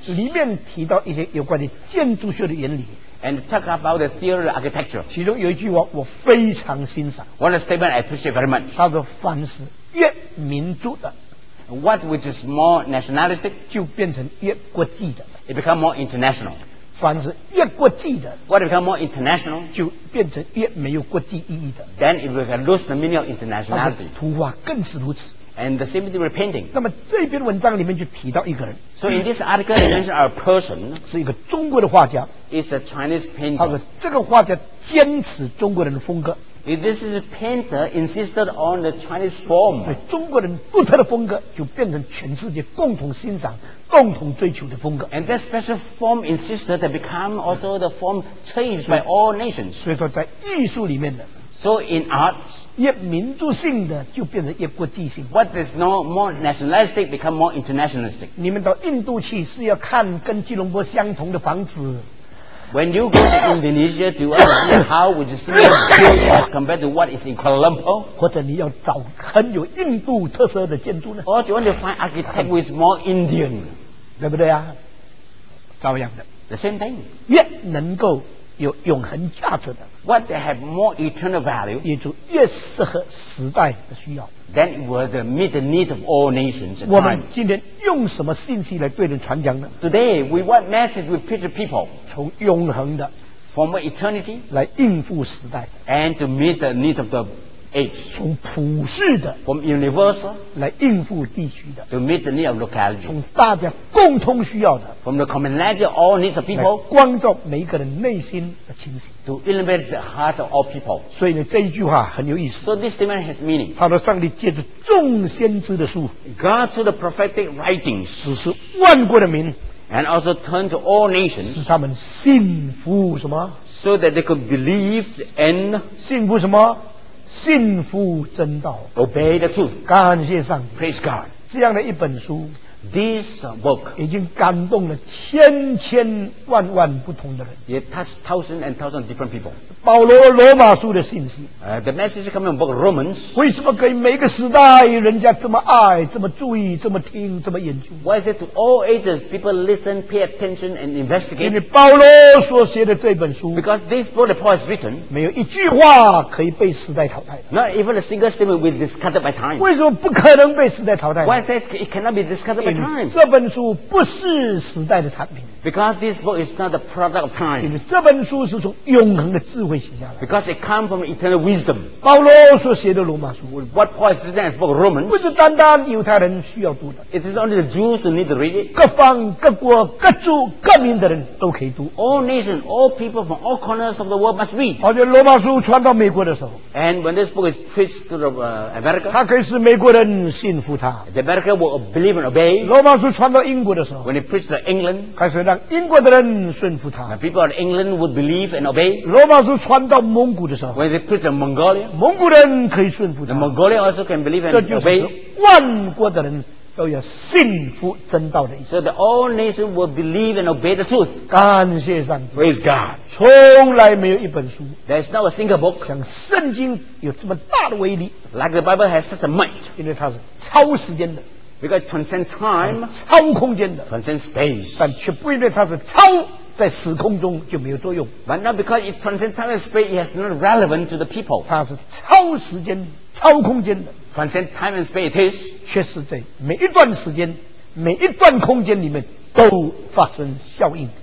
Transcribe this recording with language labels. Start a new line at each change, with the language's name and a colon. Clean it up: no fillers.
Chinese: 里面提到一些有关的建筑学的原理。
English: And talk about the theory of architecture.
Chinese: 其中有一句话我非常欣赏。
English: One statement I appreciate very much.
Chinese: 它的凡是越民族的，
English: What which is more nationalistic,
Chinese: 就变成越国际的，
English: It become more international.
Chinese: 凡是越国际的，
English: What become more international,
Chinese: 就变成越没有国际意义的。
English: Then it will lose the meaning of internationality.
Chinese: 图画更是如此。
English: and the sympathy repenting.
Chinese: 那么这篇文章里面就提到一个人。
English: So in this article, they mention a person.
Chinese: 是一个中国的画家。
English: It's a Chinese painter.
Chinese: 他这个画家坚持中国人的风格。
English: If this is a painter insisted on the Chinese form.
Chinese: 所以中国人独特的风格就变成全世界共同欣赏、共同追求的风格。
English: And that special form insisted that become also the form cherished by all nations.
Chinese: 所以说在艺术里面的。
English: So in art,
Chinese: 越民族性的就变成越国际性。
English: What is no more nationalistic become more internationalistic?
Chinese: 你们到印度去是要看跟吉隆坡相同的房子。
English: When you go to Indonesia to see how which is similar as compared to what is in Kuala Lumpur,
Chinese: 或者你要找很有印度特色的建筑呢
English: ？Or you want to find architect with more Indian,
Chinese: 对不对啊？照样的。
English: The same thing.
Chinese: 越能够有永恒价值的
English: ，what they have more eternal value，
Chinese: 也就越适合时代的需要。
English: Then it will meet the needs of all nations.
Chinese: 我们今天用什么信息来对人传讲呢
English: ？Today we what message we preach to people？
Chinese: 从永恒的
English: ，from eternity，
Chinese: 来应付时代
English: ，and to meet the needs of the age。
Chinese: 从普世的
English: ，from universal，
Chinese: 来应付地区的
English: ，to meet the needs of locality。
Chinese: 从大家共同需要的
English: ，from the commonality of all needs of people，
Chinese: 来光照每一个人内心的清醒
English: ，to illuminate the heart of all people。
Chinese: 所以呢，这一句话很有意思。
English: So this statement has meaning。
Chinese: 他说，上帝借着众先知的书
English: ，God through the prophetic writings，
Chinese: 使是万国的民
English: ，and also turn to all nations，
Chinese: 使他们信服什么
English: ？So that they could believe and
Chinese: 信服什么？信服真道
English: ，obey the truth，
Chinese: 感谢上帝
English: ，praise God，
Chinese: 这样的一本书
English: ，this book，
Chinese: 已经感动了千千万万不同的人
English: ，it touched thousands and thousands different people。
Chinese: 保罗罗马书的信息
English: ，the message coming from book Romans，
Chinese: 为什么可以每个时代人家这么爱、这么注意、这么听、这么研究
English: ？Why is it to all ages people listen, pay attention and investigate？
Chinese: 因为保罗所写的这本书
English: ，because this book that Paul has written，
Chinese: 没有一句话可以被时代淘汰的
English: ，not even a single statement will be discarded by time。
Chinese: 为什么不可能被时代淘汰
English: ？Why is that it cannot be discarded by time？
Chinese: 这本书不是时代的产品
English: ，because this book is not the product of time。
Chinese: 因为这本书是从永恒的智慧。
English: Because it comes from eternal wisdom.
Chinese: 保罗所写的罗马书
English: ，What Paul is written as for Romans，
Chinese: 不是单单犹太人需要读的。
English: It is only the Jews who need to read it.
Chinese: 各方、各国、各族、各民的人都可以读。
English: All nations, all people from all corners of the world must read.
Chinese: 而且罗马书传到美国的时候
English: ，And when this book is preached to the America，
Chinese: 它可以使美国人信服它。
English: The America will believe and obey.
Chinese: 罗马书传到英国的时候
English: ，When it preached to England，
Chinese: 开始让英国的人顺服它。
English: The people of England would believe and obey.
Chinese: 罗马书传到蒙古的时候
English: ，When they preach to Mongolia，
Chinese: 蒙古人可以顺服他。
English: The Mongolian also can believe and obey。
Chinese: 这就是万国的人都要信服真道的意思。
English: So the all nations will believe and obey the truth。
Chinese: 感谢上帝。
English: Praise God。
Chinese: 从来没有一本书
English: ，There's not a single book，
Chinese: 像圣经有这么大的威力。
English: Like the Bible has such a might，
Chinese: 因为它是超时间的
English: ，Because transcend time，
Chinese: 超空间的
English: ，transcend space，
Chinese: 但却不因为它是超。在时空中就没有作用。
English: But not because it transcends time and space, it has no relevant to the people.
Chinese: 它是超时间、超空间的。
English: Transcend time and space, it is.
Chinese: 却是在每一段时间、每一段空间里面都发生效应。